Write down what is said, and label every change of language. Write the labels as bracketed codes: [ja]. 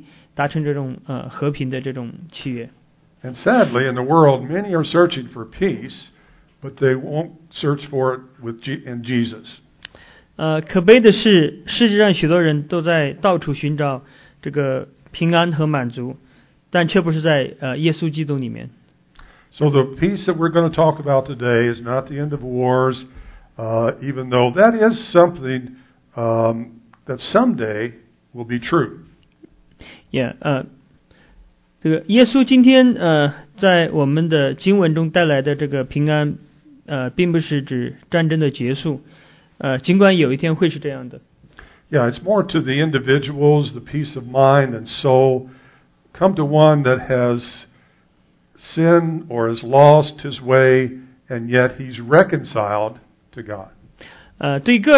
[zh] 对，圣经中的平安意思指的是与上帝的和好。必须在一个人的生活中，获得这种平安之前，你必须要与上帝达成这种和平的这种契约。 [en] And sadly, in the world, many are searching for peace, but they won't search for it with Jesus. [zh] 可悲的是，世界上许多人都在到处寻找这个平安和满足，但却不是在耶稣基督里面。 [en] So the peace that we're going to talk about today is not the end of wars, even though that is something that someday will be true. [zh] Yeah, 这个耶稣今天在我们的经文中带来的这个平安。并不是指战争的结束，尽管有一天会是这样的。 [en] Yeah, it's more to the individuals, the peace of mind and soul. Come to one that has sinned or has lost his way, and yet he's reconciled to God.